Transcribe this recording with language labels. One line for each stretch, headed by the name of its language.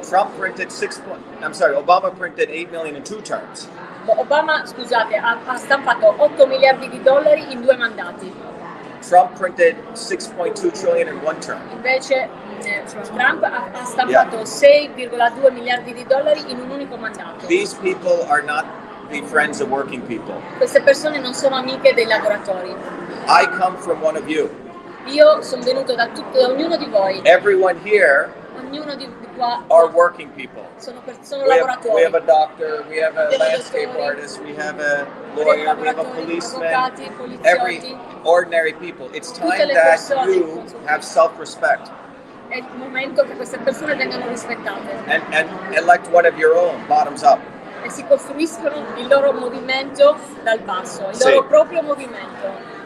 English: Trump printed Obama printed 8 million in two terms.
Italian: Obama, scusate, ha stampato 8 miliardi di dollari in due mandati.
English: Trump printed 6.2 trillion in one term.
Italian: Invece Trump ha stampato 6,2 miliardi di dollari in un unico mandato.
English: These people are not the friends of working people.
Italian: Queste persone non sono amiche dei lavoratori.
English: I come from one of you.
Italian: Io sono venuto da tutto, da ognuno di voi.
English: Everyone here.
Italian: Ognuno di qua.
English: Are working people.
Italian: Sono persone lavoratori.
English: We have a doctor. We have a landscape artist. We have a lawyer. We have a policeman.
Italian: Avvocati, poliziotti.
English: Every ordinary people. It's time that you have self-respect.
Italian: È il momento che queste persone vengano rispettate.
English: And elect one of your own, bottoms up.
Italian: E si costruiscono il loro movimento dal basso, il loro proprio movimento.